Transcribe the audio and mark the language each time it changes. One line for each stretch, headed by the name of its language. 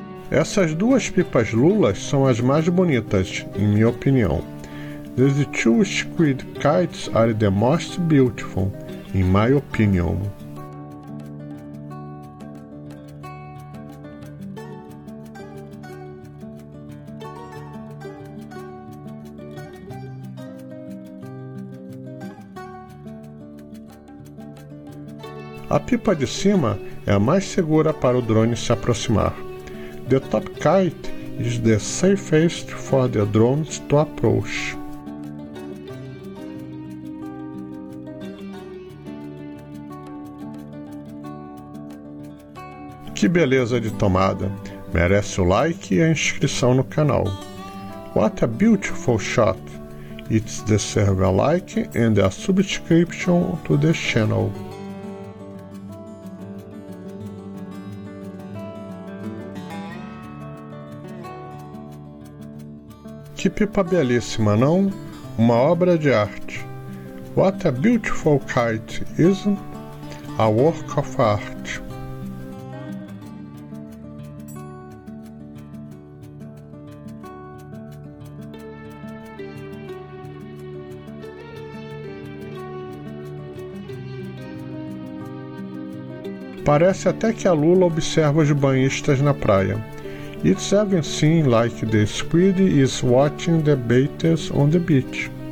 Portuguese: Essas duas pipas lulas são as mais bonitas, em minha opinião.
English: These two squid kites are the most beautiful, in my opinion.
Portuguese: A pipa de cima é a mais segura para o drone se aproximar.
English: The top kite is the safest for the drones to approach.
Portuguese: Que beleza de tomada! Merece o like e a inscrição no canal.
English: What a beautiful shot! It deserves a like and a subscription to the channel.
Portuguese: Que pipa belíssima, não? Uma obra de arte.
English: What a beautiful kite, isn't it? A work of art.
Portuguese: Parece até que a Lula observa os banhistas na praia.
English: It's even seen like the squid is watching the bathers on the beach.